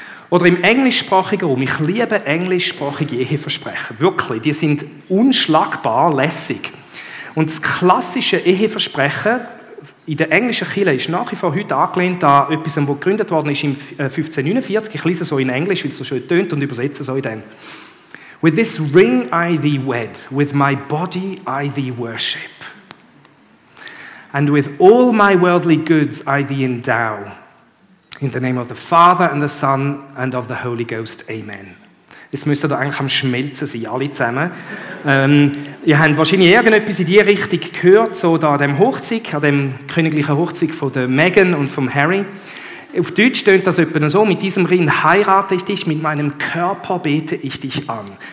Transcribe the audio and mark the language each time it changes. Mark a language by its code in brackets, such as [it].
[de] Oder im englischsprachigen Raum. Ich liebe englischsprachige Eheversprechen. Wirklich, die sind unschlagbar lässig. Und das klassische Eheversprechen in der englischen Kirche ist nach wie vor heute angelehnt an etwas, das gegründet worden ist im 1549. Ich lese so in Englisch, weil es so schön tönt, und übersetze so in dem. [en] With this ring I thee wed, with my body I thee worship. And with all my worldly goods I thee endow. In the name of the Father and the Son and of the Holy Ghost. Amen. [de] Jetzt müsst ihr da eigentlich am Schmelzen sein, alle zusammen. Ihr habt wahrscheinlich irgendetwas in die Richtung gehört, so da an dem Hochzeug, an dem königlichen Hochzeug von der Meghan und vom Harry. Auf Deutsch tönt das etwa so: Mit diesem Ring heirate ich dich, mit meinem Körper bete ich dich an.